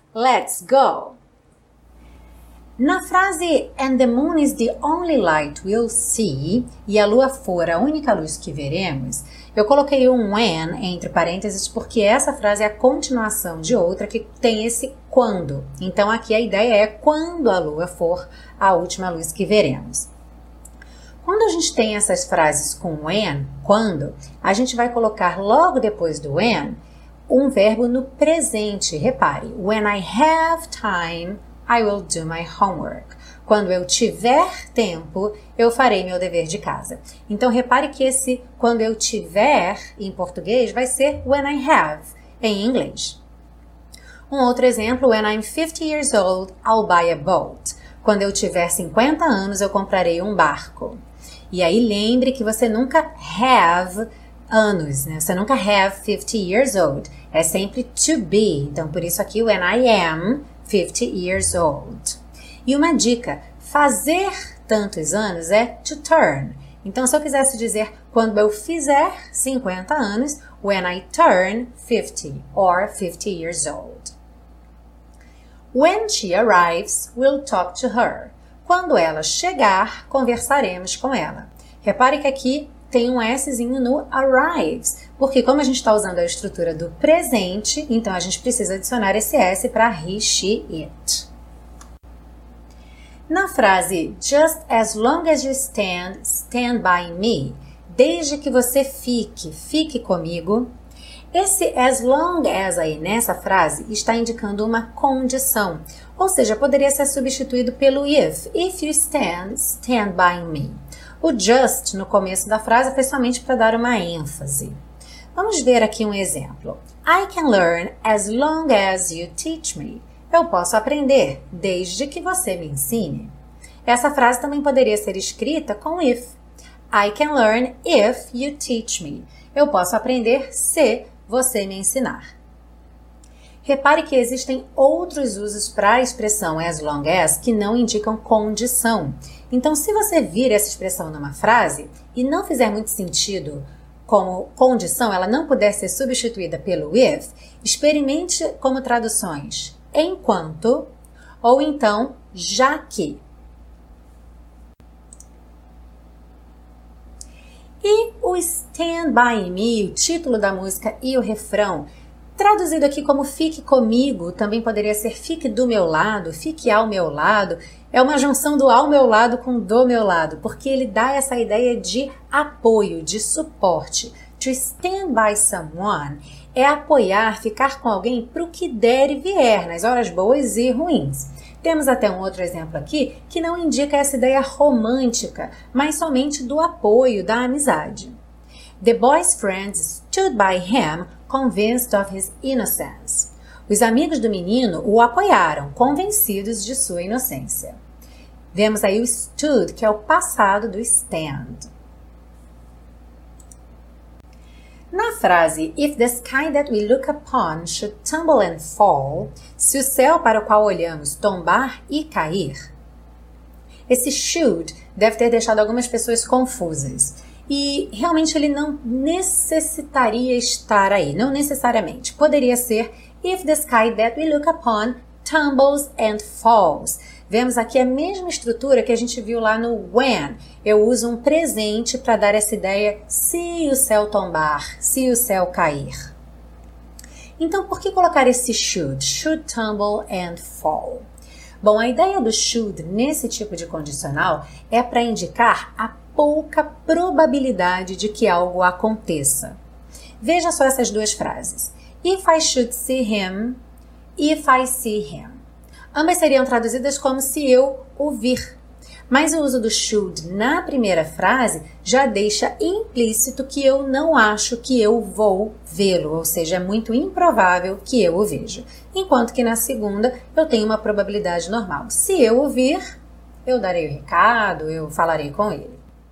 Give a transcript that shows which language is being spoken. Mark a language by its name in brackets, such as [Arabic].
[Portuguese] Let's go! Na frase [English] "And the moon is the only light we'll see", [Portuguese] e a lua for a única luz que veremos, eu coloquei um "and" entre parênteses porque essa frase é a continuação de outra que tem esse "quando". Então aqui a ideia é quando a lua for a última luz que veremos. Quando a gente tem essas frases com when, quando, a gente vai colocar logo depois do when um verbo no presente. Repare, [English] when I have time, I will do my homework. [Portuguese] Quando eu tiver tempo, eu farei meu dever de casa. Então, repare que esse quando eu tiver em português vai ser when I have em inglês. Um outro exemplo, [English] when I'm 50 years old, I'll buy a boat. [Portuguese] Quando eu tiver 50 anos, eu comprarei um barco. E aí lembre que você nunca have anos, né? Você nunca have 50 years old. É sempre to be. Então, por isso aqui, [English] when I am 50 years old. [Portuguese] E uma dica, fazer tantos anos é to turn. Então, se eu quisesse dizer quando eu fizer 50 anos, [English] when I turn 50 or 50 years old. When she arrives, we'll talk to her. [Portuguese] Quando ela chegar, conversaremos com ela. Repare que aqui tem um Szinho no arrives, porque como a gente está usando a estrutura do presente, então a gente precisa adicionar esse S para he, she, it. Na frase [English] just as long as you stand, stand by me, [Portuguese] desde que você fique, fique comigo, esse as long as aí nessa frase está indicando uma condição. Ou seja, poderia ser substituído pelo if. [English] If you stand, stand by me. [Portuguese] O just no começo da frase é principalmente para dar uma ênfase. Vamos ver aqui um exemplo. [English] I can learn as long as you teach me. [Portuguese] Eu posso aprender desde que você me ensine. Essa frase também poderia ser escrita com if. [English] I can learn if you teach me. [Portuguese] Eu posso aprender se você me ensinar. Repare que existem outros usos para a expressão as long as que não indicam condição. Então, se você vir essa expressão numa frase e não fizer muito sentido como condição, ela não puder ser substituída pelo if, experimente como traduções enquanto ou então já que. E o Stand By Me, o título da música e o refrão, traduzido aqui como fique comigo, também poderia ser fique do meu lado, fique ao meu lado. É uma junção do ao meu lado com do meu lado, porque ele dá essa ideia de apoio, de suporte. [English] To stand by someone [Portuguese] é apoiar, ficar com alguém para o que der e vier, nas horas boas e ruins. Temos até um outro exemplo aqui que não indica essa ideia romântica, mas somente do apoio, da amizade. [English] The boy's friends stood by him, convinced of his innocence. [Portuguese] Os amigos do menino o apoiaram, convencidos de sua inocência. Vemos aí o stood, que é o passado do stand. Na frase, [English] if the sky that we look upon should tumble and fall, [Portuguese] se o céu para o qual olhamos tombar e cair, esse should deve ter deixado algumas pessoas confusas. E realmente ele não necessitaria estar aí, não necessariamente. Poderia ser, [English] if the sky that we look upon tumbles and falls. [Portuguese] Vemos aqui a mesma estrutura que a gente viu lá no when. Eu uso um presente para dar essa ideia se o céu tombar, se o céu cair. Então, por que colocar esse should? [English] Should tumble and fall. [Portuguese] Bom, a ideia do should nesse tipo de condicional é para indicar a pouca probabilidade de que algo aconteça. Veja só essas duas frases. [English] If I should see him, if I see him. [Portuguese] Ambas seriam traduzidas como se eu o vir. Mas o uso do should na primeira frase já deixa implícito que eu não acho que eu vou vê-lo, ou seja, é muito improvável que eu o veja. Enquanto que na segunda eu tenho uma probabilidade normal. Se eu o vir, eu darei o recado, eu falarei com ele.